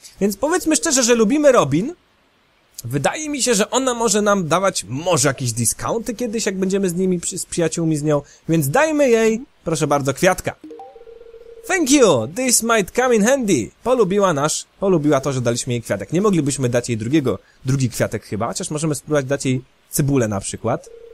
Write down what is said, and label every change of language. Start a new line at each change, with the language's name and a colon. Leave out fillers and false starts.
Polish: Więc powiedzmy szczerze, że lubimy Robin. Wydaje mi się, że ona może nam dawać może jakieś discounty kiedyś, jak będziemy z nimi, z przyjaciółmi z nią. Więc dajmy jej, proszę bardzo, kwiatka.
English: Thank you, this might come in handy.
Polish: Polubiła to, że daliśmy jej kwiatek. Nie moglibyśmy dać jej drugi kwiatek chyba, chociaż możemy spróbować dać jej cebulę na przykład.